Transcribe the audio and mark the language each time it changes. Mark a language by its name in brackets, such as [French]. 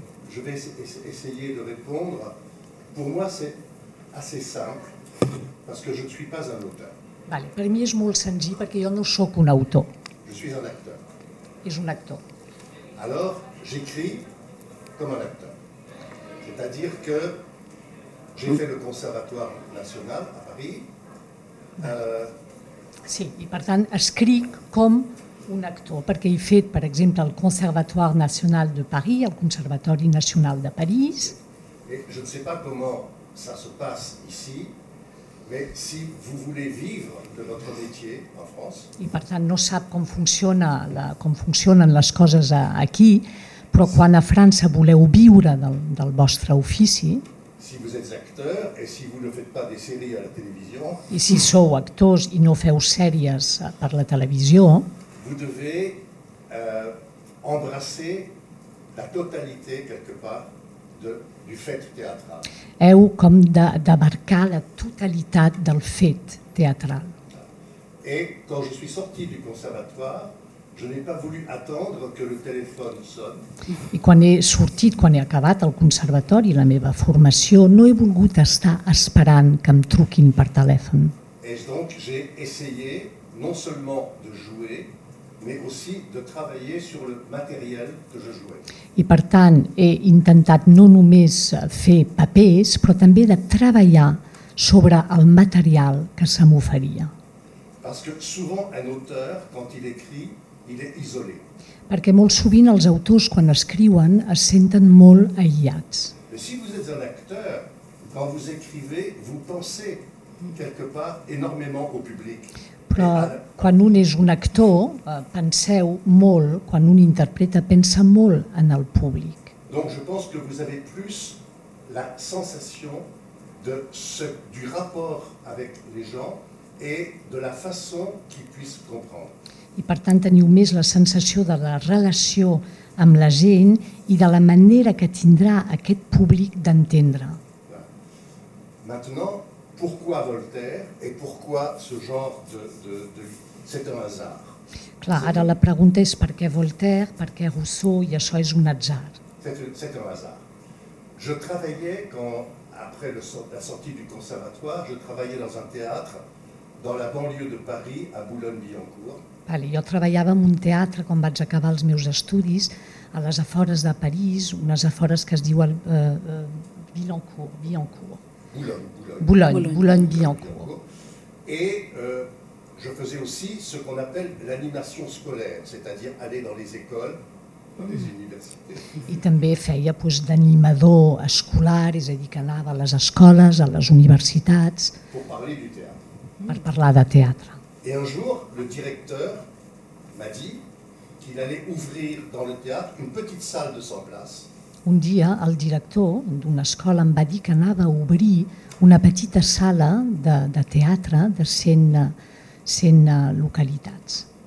[French] Je vais essayer de répondre. Pour moi, c'est assez simple parce que je ne suis pas un auteur. [Spanish] Vale. [Catalan] Per mi és molt senzill perquè jo no sóc un autor. [French] Je suis un acteur. [Catalan] És un actor. [French] Alors, j'écris comme un acteur. C'est-à-dire que j'ai fait le Conservatoire National à Paris. [Catalan] Sí, i per tant, escric com un actor, perquè he fet, per exemple, el Conservatoire National de Paris, el Conservatori Nacional de París. [French] Et je ne sais pas comment ça se passe ici, mais si vous voulez vivre de votre métier en France. [Catalan] I per tant, no sap com funciona com funcionen les coses aquí, però quan a França voleu viure del vostre ofici. [French] Si vous êtes acteur et si vous ne faites pas des séries à la télévision. [Catalan] I si sou actors i no feu sèries per la televisió. [French] Vous devez embrasser la totalité quelque part de du fait théâtral. [Catalan] Heu com d'abarcar la totalitat del fet teatral. [French] Et quand je suis sorti du conservatoire, je n'ai pas voulu attendre que le téléphone sonne. [Catalan] I quan he sortit, quan he acabat el conservatori, la meva formació, no he volgut estar esperant que em truquin per telèfon. [French] Et donc j'ai essayé non seulement de jouer, mais aussi de travailler sur le matériel que je jouais. [Catalan] I per tant, he intentat no només fer papers, però també de treballar sobre el material que se m'oferia. [French] Parce que souvent un auteur quand il écrit, il est isolé. [Catalan] Perquè molt sovint els autors quan escriuen es senten molt aïllats. [French] Mais si vous êtes un acteur, quand vous écrivez, vous pensez quelque part énormément au public. [Catalan] Però quan un és un actor, penseu molt, quan un interpreta, pensa molt en el públic. [French] Donc je pense que vous avez plus la sensation de du rapport avec les gens et de la façon qu'ils puissent comprendre. [Catalan] I per tant teniu més la sensació de la relació amb la gent i de la manera que tindrà aquest públic d'entendre. [French] Maintenant, pourquoi Voltaire et pourquoi ce genre de c'est un hasard. [Catalan] Clar, ara la pregunta és per què Voltaire, per què Rousseau i això és un atzar. [French] C'est un hasard. Je travaillais quand après la sortie du conservatoire, je travaillais dans un théâtre dans la banlieue de Paris à Boulogne-Billancourt. [Catalan] Vale, jo treballava en un teatre quan vaig acabar els meus estudis a les afores de París, unes afores que es diu Billancourt. [French] Boulogne-Billancourt. Et je faisais aussi ce qu'on appelle l'animation scolaire, c'est-à-dire aller dans les écoles, dans les universités. [Catalan] I també feia pues, d'animador escolar, és a dir, que anava a les escoles, a les universitats. [French] Pour parler du théâtre. [Catalan] Per parlar de teatre. [French] Et un jour, le directeur m'a dit qu'il allait ouvrir dans le théâtre une petite salle de 100 places. [Catalan] Un dia el director d'una escola em va dir que anava a obrir una petita sala de teatre de 100 localitats.